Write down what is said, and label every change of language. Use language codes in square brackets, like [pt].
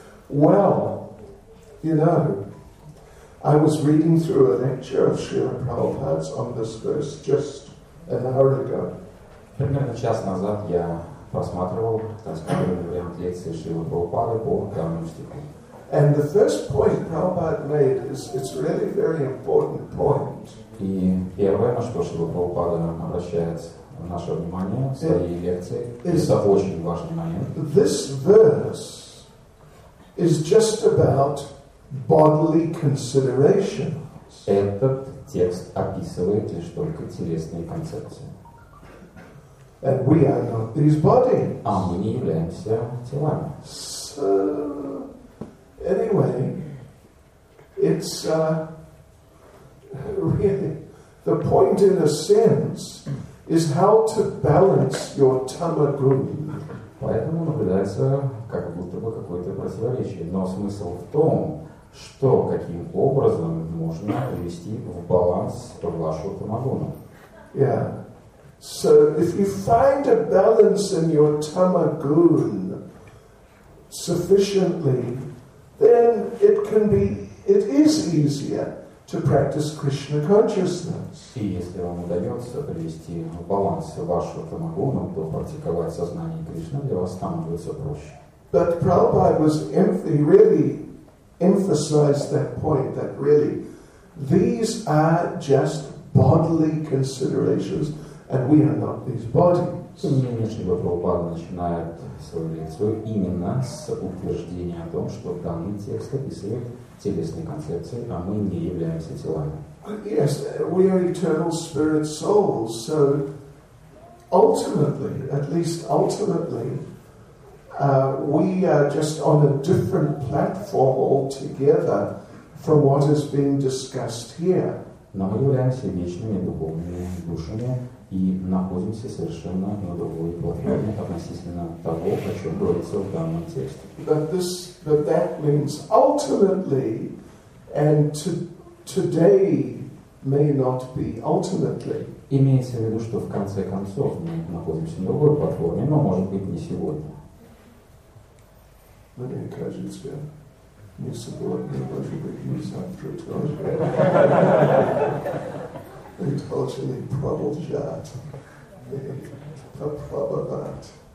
[en] Well, you know, I was reading through a lecture of Srila Prabhupada's on this verse just an hour ago. [ru] Примерно час назад я просматривал, так сказать, лекцию Шрилы Прабхупады по данному стиху. [en] And the first point Prabhupada made is it's really a very important point. [ru] И первое, на что Шрила Прабхупада обращает наше внимание в своей лекции, это очень важный момент. [en] This verse is just about bodily considerations. [ru] Этот текст описывает лишь только телесные концепции. [en] And we are not these bodies. [ru] А мы не являемся телами. [en] So, anyway, it's really the point in a sense is how to balance your tamaguni. [ru] Поэтому наблюдается как будто бы какое-то противоречие. Но смысл в том, что, каким образом можно привести в баланс вашу тамагуну. [en] Yeah. So, if you find a balance in your tamagun sufficiently, then it can be, it is easier to practice Krishna consciousness. [ru] И если вам удается привести баланс вашего тамагуна, то практиковать сознание Кришны для вас становится проще. [en] But Prabhupada was he really emphasized that point, that really these are just bodily considerations, and we are not these bodies. [ru] Тем не менее, Прабхупада начинает свою лекцию именно с утверждения о том, что данный текст описывает телесные концепции, а мы не являемся телами. [en] Yes, we are eternal spirit souls, so ultimately, at least ultimately, we are just on a different platform altogether from what is being discussed here. [ru] Но мы являемся вечными духовными душами и находимся совершенно на другой платформе относительно того, о чем говорится в данном тексте. [en] But that means ultimately, and today may not be ultimately. [ru] Имеется в виду, что в конце концов мы находимся на другой платформе, но может быть не сегодня. Мне кажется, не сегодня, может быть, не завтра тоже. И тоже не продолжат. И попробовать.